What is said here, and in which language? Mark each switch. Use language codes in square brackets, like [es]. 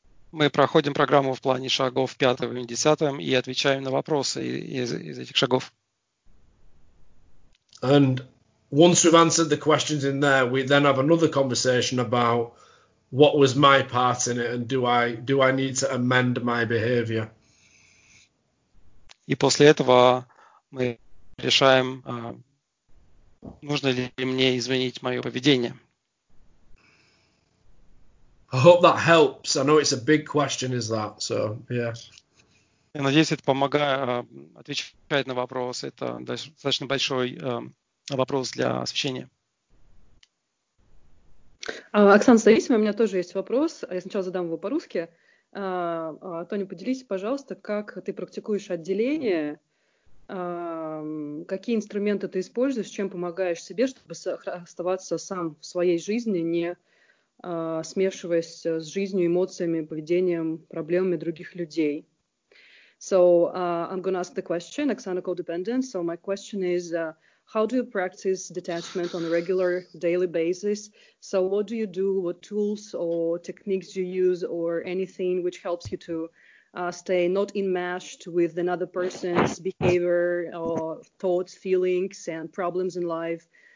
[ru] Мы проходим программу в плане шагов 5 и 10 и отвечаем на вопросы из этих шагов. [en] And once we've answered the questions in there, we then have another conversation about what was my part in it and do I need to amend my behavior. [ru] И после этого мы решаем, нужно ли мне изменить мое поведение. [en] I hope that helps. I know it's a big question, is that? So, yeah. [ru] Я надеюсь, это помогает, отвечает на вопрос. Это достаточно большой вопрос для освещения. Оксана Саисова, у меня тоже есть вопрос. Я сначала задам его по-русски. Тоня, поделись, пожалуйста, как ты практикуешь отделение? Какие инструменты ты используешь? Чем помогаешь себе, чтобы оставаться сам в своей жизни, не смешиваясь с жизнью, эмоциями, поведением, проблемами других людей. [en] So I'm going to ask the question, Oksana codependent. So my question is, how do you practice detachment on a regular daily basis? So what do you do, what tools or techniques do you use or anything which helps you to stay not enmeshed with another person's behavior or thoughts, feelings and problems in life?